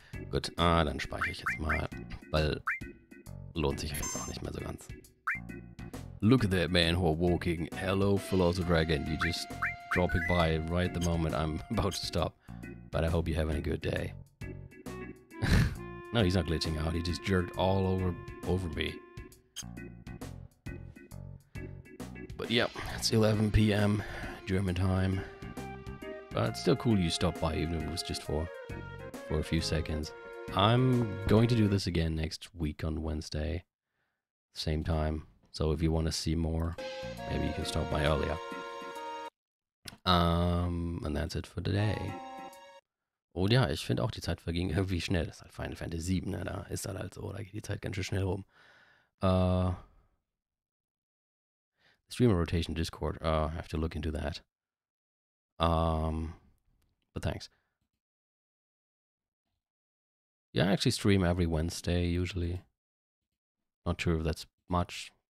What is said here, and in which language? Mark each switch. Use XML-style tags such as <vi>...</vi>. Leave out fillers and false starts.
<de>Gut, dann speichere ich jetzt mal, weil lohnt sich jetzt auch nicht mehr so ganz.</de> <en>Look at that man who are walking. Hello, Philosopher Dragon. You're just dropping by right the moment I'm about to stop. But I hope you're having a good day. No, he's not glitching out. He just jerked all over me. But yeah, it's 11 p.m. German time. But it's still cool you stopped by, even if it was just for a few seconds. I'm going to do this again next week on Wednesday. Same time. So if you want to see more, maybe you can stop by earlier. And that's it for today.</en> <de>Und ja, ich finde auch, die Zeit verging irgendwie schnell. Das ist halt Final Fantasy 7, ne? Da ist halt, halt so, da geht die Zeit ganz schön schnell rum.</de> <en>Streamer Rotation Discord, I have to look into that. But thanks. Yeah, I actually stream every Wednesday, usually. Not sure if that's much.</en>